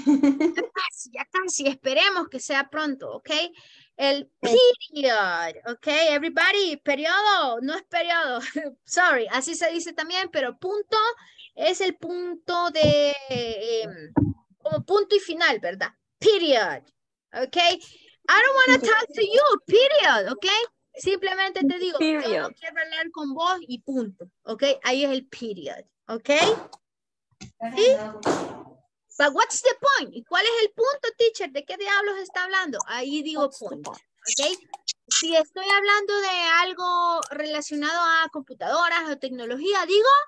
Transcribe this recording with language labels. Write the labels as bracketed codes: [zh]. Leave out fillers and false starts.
[es] Ya casi, ya casi. Esperemos que sea pronto, ¿ok? El period, ¿ok? Everybody, periodo, no es periodo. Sorry, así se dice también, pero punto es el punto de... como punto y final, ¿verdad? [en] Period. Okay, I don't want to talk to you, period, okay? [es] Simplemente te digo, period. Yo no quiero hablar con vos y punto, okay? Ahí es el period, okay? ¿Sí? [en] But what's the point? [es] ¿Cuál es el punto, teacher? ¿De qué diablos está hablando? Ahí digo punto, okay? si estoy hablando de algo relacionado a computadoras o tecnología, digo